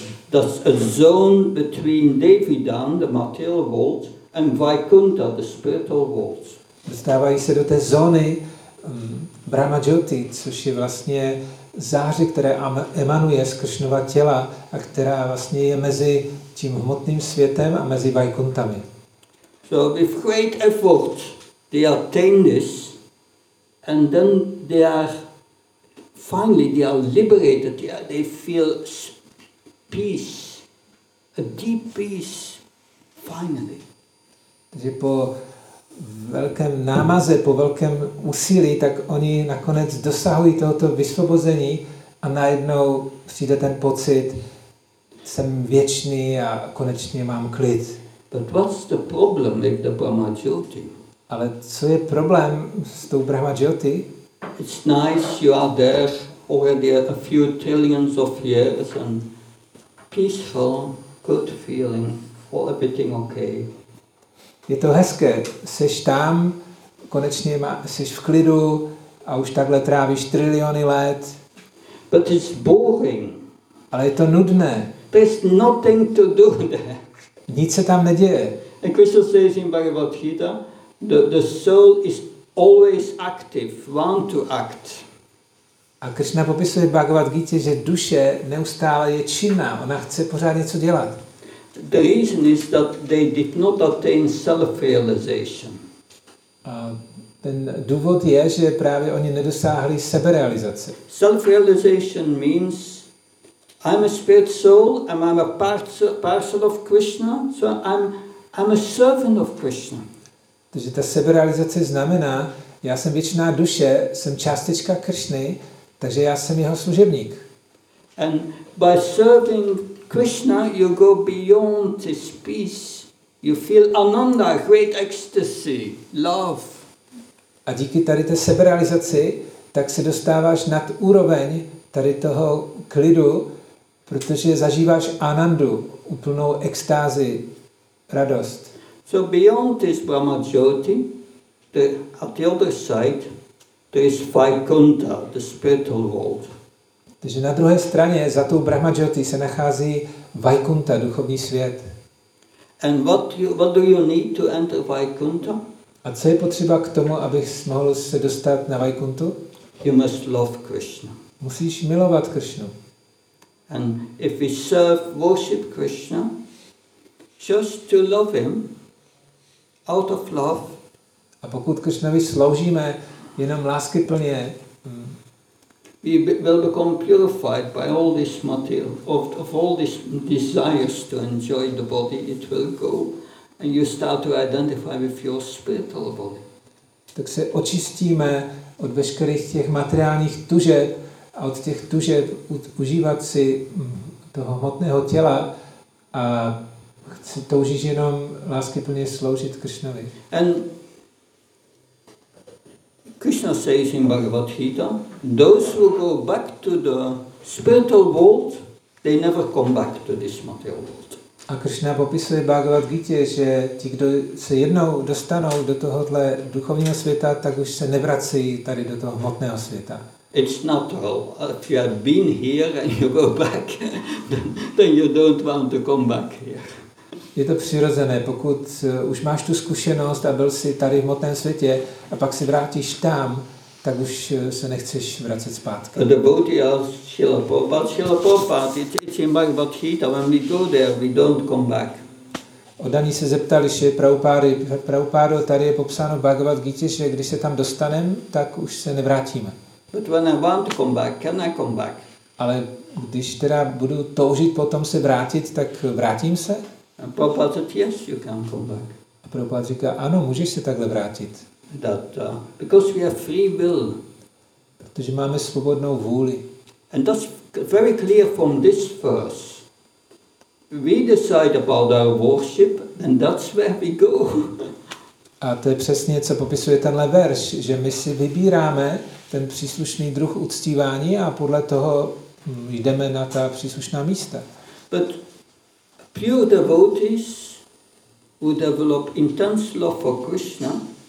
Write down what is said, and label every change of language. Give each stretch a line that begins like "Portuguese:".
English: Does a zone between Devidam, the material world, and Vaikuntha, the spiritual world?
Czech: Dostávají se do té zóny Brahma Jyoti, což je vlastně záře, která emanuje z Krishnova těla a která vlastně je mezi tím hmotným světem a mezi Vaikuntami.
English: So with great effort they attain this and then they are finally liberated. They feel peace, a deep peace, finally.
Czech: Takže po velkém námaze, po velkém úsilí, tak oni nakonec dosahují tohoto vysvobození a najednou přijde ten pocit, jsem věčný a konečně mám klid.
English: But what's the problem with the Brahma Jyoti?
Czech: Ale co je problém s tou Brahma Jyoti?
English: It's nice you are there already a few trillions of years and peaceful, good feeling, all everything okay.
Czech: Je to hezké, seš tam, konečně seš v klidu a už takhle trávíš triliony let.
English: But it's boring.
Czech: Ale je to nudné.
English: There's nothing to do there.
Czech: Nic se tam neděje.
English: And Krishna says in Bhagavad Gita, the soul is always active, want to act.
Czech: A Krishna popisuje v Bhagavad Gita, že duše neustále je činná, ona chce pořád něco dělat.
English: The reason is that they did not attain self-realization.
Czech: Ten důvod je, že právě oni nedosáhli seberealizace.
English: Self-realization means I'm a spirit soul and I'm a parcel of Krishna, so I'm a servant of Krishna.
Czech: Takže ta seberealizace znamená, já jsem věčná duše, jsem částečka Krishny, takže já jsem jeho služebník.
English: And by serving Krishna, you go beyond this peace. You feel ananda, great ecstasy, love.
Czech: A díky tady té seberealizaci, tak se dostáváš nad úroveň tady toho klidu, protože zažíváš anandu, úplnou extázi, radost.
English: So beyond this Brahma Jyoti, at the other side, there is Vaikuntha, the spiritual world.
Czech: Takže na druhé straně za tou Brahma Jyoti se nachází Vaikuntha, duchovní svět.
English: And what do you need to enter Vaikuntha?
Czech: A co je potřeba k tomu, abych mohl se dostat na Vaikuntu?
English: You must love Krishna.
Czech: Musíš milovat Krishnu.
English: And if we serve, worship Krishna, just to love him, out of love.
Czech: A pokud Krishnovi sloužíme jenom láskyplně,
English: we will become purified by all this material of all these desires to enjoy the body. It will go, and you start to identify with your spiritual body.
Czech: tak se očistíme od veškerých těch materiálních tužeb a od těch tužeb užívat si toho hmotného těla a toužíš jenom láskyplně sloužit Krishnovi.
English: And Krishna says in Bhagavad Gita, those who go back to the spiritual world, they never come back to this material world.
Czech: A Krishna popisuje Bhagavad Gita, že ti, kdo se jednou dostanou do tohohle duchovního světa, tak už se nevrací tady do toho hmotného světa.
English: It's natural. If you have been here and you go back, then you don't want to come back here.
Czech: Je to přirozené, pokud už máš tu zkušenost a byl jsi tady v hmotném světě a pak si vrátíš tam, tak už se nechceš vracet zpátky.
English: The boat is Shilapopat, it's teaching Bhagavad Gita, when we go there, we don't come back.
Czech: Odaní se zeptali, že Prabhupádo, tady je popsáno Bhagavad Gita, že když se tam dostaneme, tak už se nevrátíme.
English: But when I want to come back, can I come back?
Czech: Ale když teda budu toužit potom se vrátit, tak vrátím se? A Prabhupada říká,
English: yes, you can come back.
Czech: A Prabhupada říká, ano, můžeš se takhle vrátit.
English: That, because we have free will.
Czech: Protože máme svobodnou vůli.
English: And that's very clear from this verse. We decide about our worship and that's where we go.
Czech: A to je přesně, co popisuje tenhle verš, že my si vybíráme ten příslušný druh uctívání a podle toho jdeme na ta příslušná místa.
English: But pure devotees who develop intense love for Krishna.